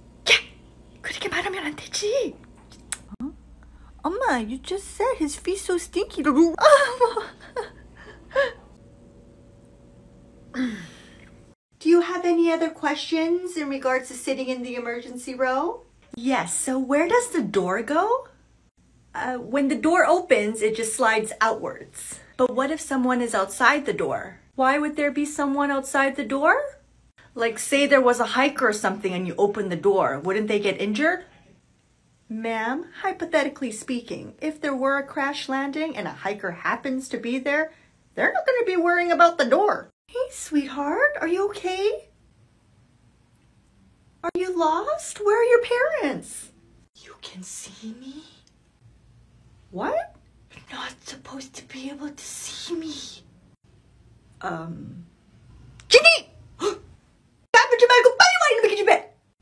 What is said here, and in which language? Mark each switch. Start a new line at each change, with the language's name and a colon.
Korean: 야, 그렇게 말하면 안 되지.
English: 엄마, you just said his feet so stinky.
Korean: 엄마.
English: Do you have any other questions in regards to sitting in the emergency row? Yes, so where does the door go? When the door opens, it just slides outwards. But what if someone is outside the door? Why would there be someone outside the door? Like, say there was a hiker or something and you opened the door, wouldn't they get injured? Ma'am, hypothetically speaking, if there were a crash landing and a hiker happens to be there, they're not going to be worrying about the door. Hey, sweetheart, are you okay? Are you lost? Where are your parents? You can see me? What? You're not supposed to be able to see me. JEENIE!
Korean: 바쁘지 말고 빨리 와 이놈의 기집애!